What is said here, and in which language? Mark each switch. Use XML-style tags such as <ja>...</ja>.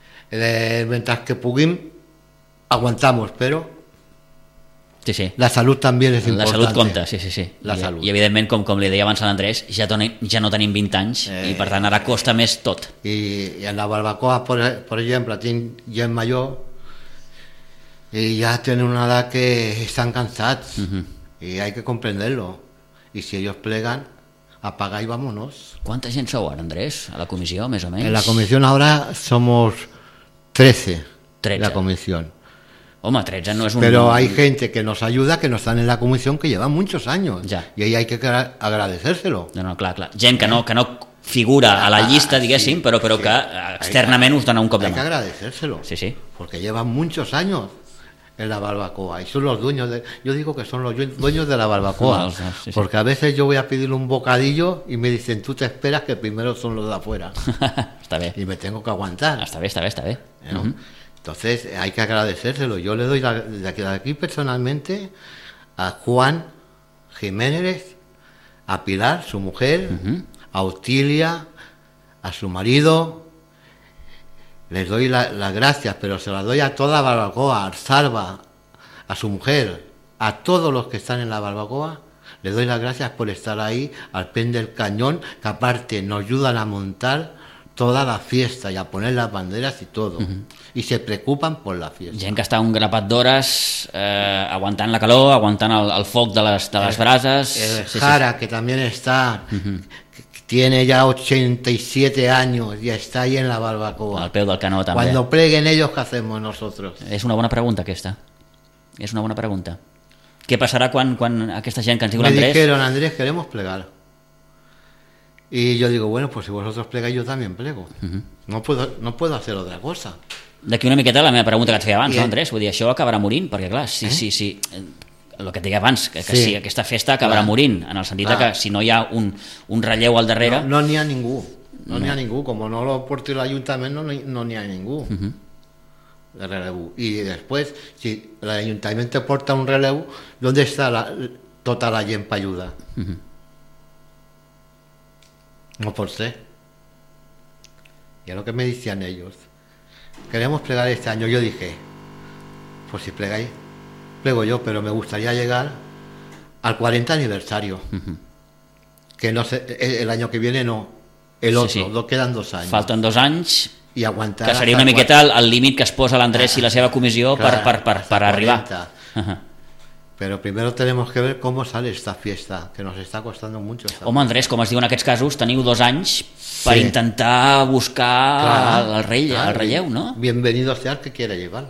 <ca>Mentre que puguin,</ca> <es>aguantamos,</es> <ca>però... Sí, sí. La salut també és important. La salut compta, sí, sí, sí. La salut. I evidentment, com li deia abans a l'Andrés, ja no tenim 20 anys i per tant ara costa més tot. I en la barbacoa, per exemple, tinc gent major...</ca> <es>Y ya tienen una edad que están cansados. Uh-huh. Y hay que comprenderlo. Y si ellos plegan, apaga y vámonos. ¿Cuánta gente</es> <ca>sou</ca> <es>ahora, Andrés? ¿A la comisión, más o menos? En la comisión ahora somos 13. 13. La comisión. Hombre, 13 no es un... Pero hay gente que nos ayuda, que no están en la comisión, que llevan muchos años. Ya. Y ahí hay que agradecérselo. No, claro, claro.</es> <ca>Gente que no figura a la llista, diguéssim, sí, però sí. Que externament us dona un cop de mà.</ca> <es>Hay que agradecérselo. Sí, sí. Porque llevan muchos años. En la barbacoa, y son los dueños de... Yo digo que son los dueños de la barbacoa, sí, sí, sí. Porque a veces yo voy a pedir un bocadillo y me dicen, tú te esperas que primero son los de afuera. Está bien. Y me tengo que aguantar. Está bien, está bien, está bien. ¿No? Uh-huh. Entonces, hay que agradecérselo. Yo le doy de aquí personalmente a Juan Jiménez, a Pilar, su mujer, uh-huh. a Otilia, a su marido. Les doy las gracias, pero se las doy a toda Barbacoa, a Arzalba, a su mujer, a todos los que están en la Barbacoa. Les doy las gracias por estar ahí al pie del cañón, que aparte nos ayudan a montar toda la fiesta y a poner las banderas y todo. Uh-huh. Y se preocupen per la fiesta.</es> <ca>Gent que està un grapat d'hores aguantant la calor, aguantant el foc de les brases. El Jara, sí. que també està, uh-huh.</ca> <es>tiene ya 87 años y está ahí en la barbacoa.</es> <ca>Al peu del canó, també.</ca> <es>Cuando preguen ellos, ¿qué hacemos nosotros?</es> <ca>És una bona pregunta, aquesta. És una bona pregunta. Què passarà quan aquesta gent que ens diu l'Andrés...</ca> <es>Me dijeron, Andrés, queremos plegar. Y yo digo, bueno, pues si vosotros plegáis, yo también plego. Uh-huh. No puedo hacer otra cosa.</es> <ca>D'aquí una miqueta la meva pregunta que et feia abans, no, Andrés? Vull dir, això acabarà morint, perquè clar, sí, sí, sí. El que et deia abans, que sí, aquesta festa acabarà clar. Morint, en el sentit que si no hi ha un relleu al darrere... No, no n'hi ha ningú. No n'hi ha ningú. Com no lo porti l'Ajuntament, no n'hi ha ningú. Uh-huh. De relleu. I després, si l'Ajuntament te porta un relleu,</ca> <es>¿dónde está</es> <ca>tota la gent per ajudar? Uh-huh.</ca> <es>No por ser. Y es lo que me decían ellos. Queremos plegar este año. Yo dije, pues si plegáis, plego yo, pero me gustaría llegar al 40 aniversario. Uh-huh. Que no sé, el año que viene no. El otro, sí, sí. Quedan dos años.</es> <ca>Falten dos anys. I aguantar. Que seria una miqueta el límit que es posa l'Andrés i la seva comissió per arribar.</ca> <es>Pero primero tenemos que ver cómo sale esta fiesta, que nos está costando mucho.</es> <ca>Home, Andrés, com es diu en aquests casos, teniu dos anys per intentar buscar el relleu, no?</ca> <es>Bienvenido sea el que quiera llevarlo.</es>